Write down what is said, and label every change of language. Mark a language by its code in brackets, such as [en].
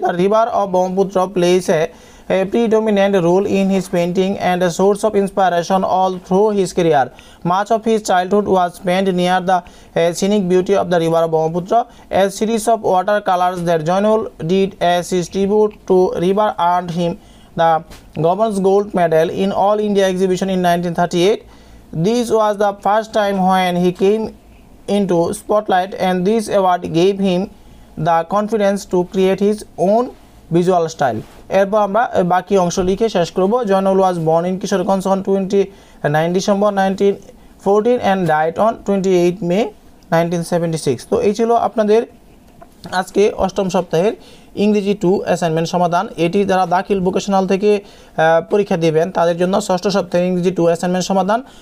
[en] তার river of Brahmaputra plays a predominant role in his painting and a source of inspiration all through his career. Much of his childhood was spent near the scenic beauty of the river of Brahmaputra a series of water colours that Zainul did as his tribute to river earned him the governor's gold medal in all India exhibition ইন 1938। This was the first time when he came into spotlight and this award gave him the confidence to create his own visual style. [bn] এরপর আমরা বাকি অংশ লিখে শেষ করব। [en] Zainul was born in Kishoreganj on 29 December 1914 and died on 28 May 1976। [bn] তো এই ছিল আপনাদের আজকে অষ্টম সপ্তাহের ইংরেজি 2 অ্যাসাইনমেন্ট সমাধান। এটি যারা দাখিল ভোকেশনাল থেকে পরীক্ষা দেবেন তাদের জন্য ষষ্ঠ সপ্তাহের ইংরেজি 2 অ্যাসাইনমেন্ট সমাধান।